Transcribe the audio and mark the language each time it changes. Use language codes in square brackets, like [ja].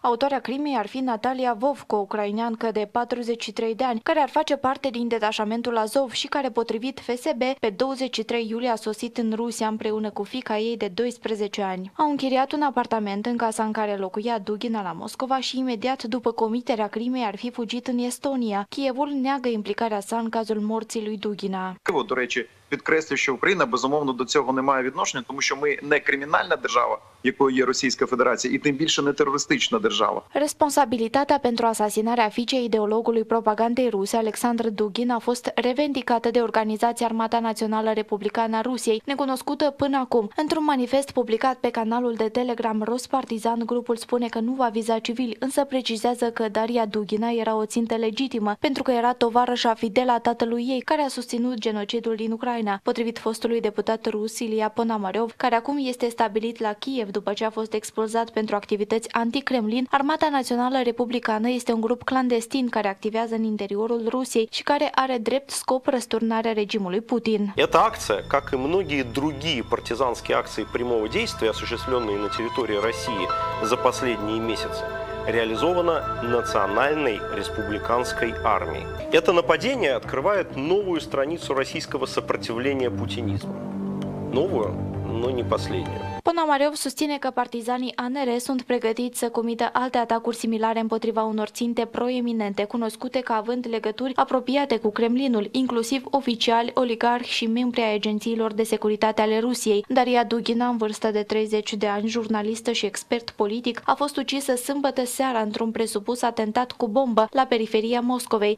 [ro] Autoarea crimei ar fi Natalia Vovko, ucraineancă de 43 de ani, care ar face parte din detașamentul Azov și care, potrivit FSB, pe 23 iulie a sosit în Rusia împreună cu fiica ei de 12 ani. Au închiriat un apartament în casa în care locuia Dugina la Moscova și imediat după comiterea crimei ar fi fugit în Estonia. Kievul neagă implicarea sa în cazul morții lui Dugina. [uk] До речі, підкреслив, що Україна безумовно до цього не має відношення, тому що ми не кримінальна держава, якою є Російська Федерація, і тим більше не терористична держава. [ro] Responsabilitatea pentru asasinarea fiicei ideologului propagandei ruse, Alexandr Dugin, a fost revendicată de organizația Armata Națională Republicană a Rusiei, necunoscută până acum. Într-un manifest publicat pe canalul de Telegram Rospartizan, grupul spune că nu va viza civili, însă precizează că Daria Dugina era o țintă legitimă, pentru că era tovarășa fidelă a tatălui ei, care a susținut genocidul din Ucraina. Potrivit fostului deputat rus Ilia Ponomarev, care acum este stabilit la Kiev, după ce a fost expulzat pentru activități anti-Kremlin, Armata Națională Republicană este un grup clandestin care activează în interiorul Rusiei și care are drept scop răsturnarea regimului Putin. [ru] Эта акция, как и многие другие партизанские акции прямого действия, осуществленные на территории России за последние месяцы, реализована Национальной Республиканской армией. Это нападение открывает новую страницу российского сопротивления путинизму. Новую, но не последнюю. [ro] Ponomarev susține că partizanii ANR sunt pregătiți să comită alte atacuri similare împotriva unor ținte proeminente, cunoscute ca având legături apropiate cu Kremlinul, inclusiv oficiali, oligarhi și membri ai agențiilor de securitate ale Rusiei. Daria Dugina, în vârstă de 30 de ani, jurnalistă și expert politic, a fost ucisă sâmbătă seara într-un presupus atentat cu bombă la periferia Moscovei.